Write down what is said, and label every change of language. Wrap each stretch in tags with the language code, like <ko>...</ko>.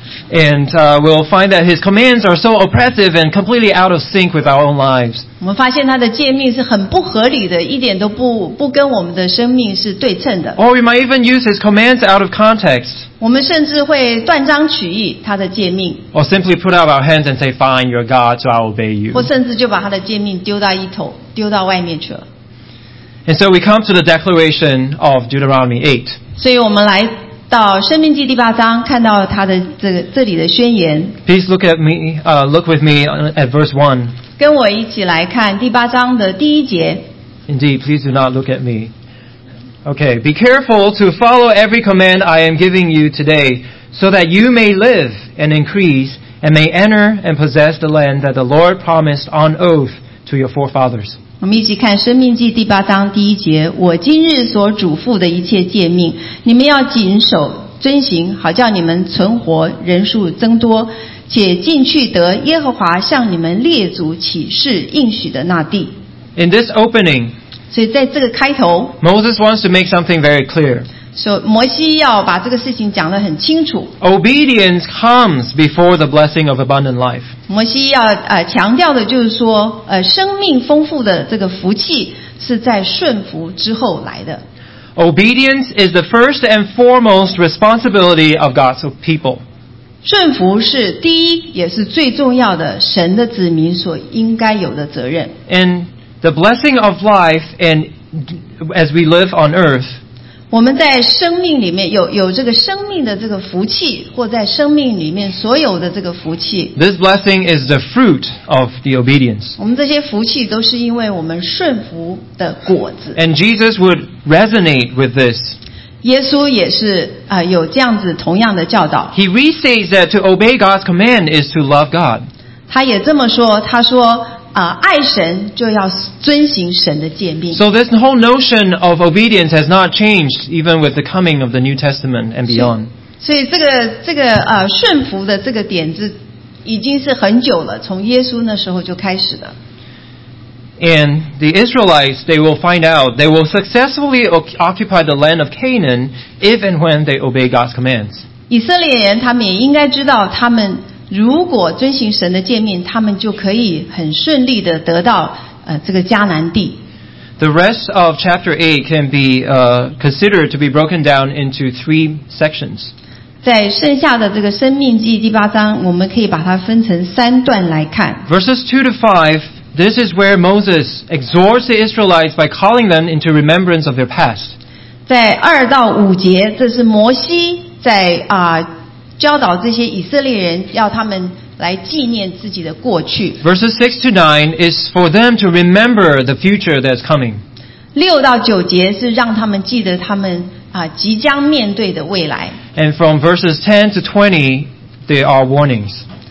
<en>and we'll find that his commands are so oppressive and completely out of sync with our own lives.</en> <zh>我们发现他的诫命是很不合理的一点都不跟我们的生命是对称的</zh> <en>or we might even use his commands out of context.</en> <zh>我们甚至会断章取义他的诫命</zh> <en>or simply put out our hands and say fine you're God so I'll obey you</en> <zh>或甚至就把他的诫命丢到外面去了</zh> <en>and so we come to the declaration of Deuteronomy 8</en> <zh>所以我们来到申命记第八章看到他的 这里的宣言</zh> <en>please look at me look with me at verse 1</en> <zh>跟我一起来看第八章的第一节</zh> <en>indeed please do not look at meOkay, be careful to follow every command I am giving you today, so that you may live and increase and may enter and possess the land that the Lord promised on oath to your forefathers.</en> <zh>我们一起看《申命记》第八章第一节，我今日所嘱咐的一切诫命，你们要谨守遵行，好叫你们存活，人数增多，且进去得耶和华向你们列祖起誓应许的那地。</zh> <en>In this opening,</en> <zh>所以在这个开头</zh> <en>Moses wants to make something very clear.</en> <zh>所以摩西要把这个事情讲得很清楚</zh> <en>Obedience comes before the blessing of abundant life.</en> <zh>摩西要强调的就是说生命丰富的这个福气是在顺服之后来的</zh> <en>Obedience is the first and foremost responsibility of God's people.</en> <zh>顺服是第一也是最重要的神的子民所应该有的责任</zh> <en>AndThe blessing of life and as we live on earth,</en> <zh>我们在生命里面有这个生命的这个福气，或在生命里面所有的这个福气。</zh> <en>This blessing is the fruit of the obedience.</en> <zh>我们这些福气都是因为我们顺服的果子。</zh> <en>And Jesus would resonate with this.</en> <zh>耶稣也是有这样子同样的教导。</zh> <en>He restates that to obey God's command is to love God.</en> <zh>他也这么说，他说。爱神就要遵行神的诫命。</zh> <en>So this whole notion of obedience has not changed even with the coming of the New Testament and beyond.</en> <zh>所以这个顺服的这个点子已经是很久了，从耶稣那时候就开始的。</zh> <en>And the Israelites, they will find out, they will successfully occupy the land of Canaan if and when they obey God's commands.</en> <zh>以色列人他们也应该知道他们如果遵行神的诫命，他们就可以很顺利的得到这个迦南地。</zh> <en>The rest of chapter 8 can be considered to be broken down into three sections.</en> <zh>在剩下的这个申命记第八章，我们可以把它分成三段来看。</zh> <en>Verses 2 to 5, this is where Moses exhorts the Israelites by calling them into remembrance of their past.</en> <zh>在二到五节，这是摩西在教导这些以色列人要他们来纪念自己的过去</zh> <en>Verses 6 to 9 is for them to remember the future that's coming</en> <zh>6到9节是让他们记得他们即将面对的未来</zh> <en>And from verses 10 to 20 there are warnings</en>